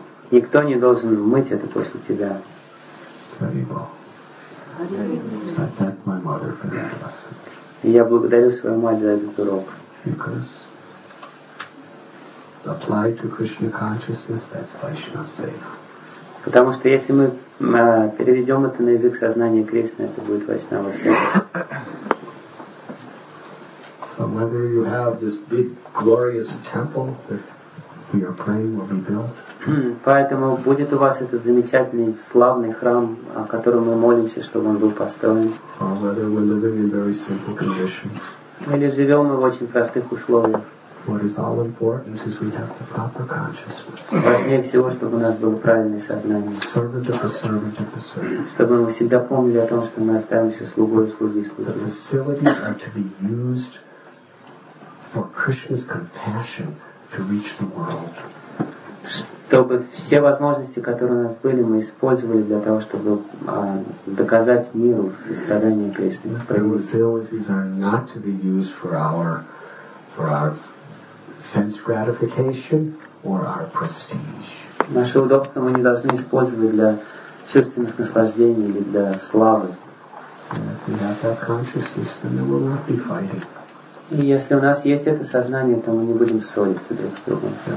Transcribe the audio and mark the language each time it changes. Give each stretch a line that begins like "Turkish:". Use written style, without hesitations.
Russian: Никто не должен мыть это после тебя.
English: So I thank my mother for that lesson.
Russian: Я благодарю свою мать за этот урок.
English: Because apply to Krishna consciousness, that's Vaishnava safe.
Russian: Потому что если мы переведем это на язык сознания Кришны, это будет Вайшнава
English: safe. So whether you have this big glorious temple that we are praying will be built.
Russian: Поэтому будет у вас этот замечательный славный храм, о котором мы молимся, чтобы он был построен.
English: Whether we're living in very simple conditions.
Russian: Или живем мы в очень простых условиях.
English: What is all important is we have the proper consciousness.
Russian: Важнее всего, чтобы у нас было правильное сознание.
English: Servant of the servant of the servant.
Russian: Чтобы мы всегда помнили о том, что мы остаемся слугой слуги слуги.
English: The facilities are to be used for Krishna's compassion to reach the world.
Russian: Чтобы все возможности, которые у нас были, мы использовали для того, чтобы доказать миру сострадание Кришны.
English: Facilities are not to be used for our sense gratification or our prestige.
Russian: Наши удобства мы не должны использовать для чувственных наслаждений или для славы.
English: If we have that consciousness, then we will not be fighting.
Russian: И если у нас есть это сознание, то мы не будем ссориться друг с другом.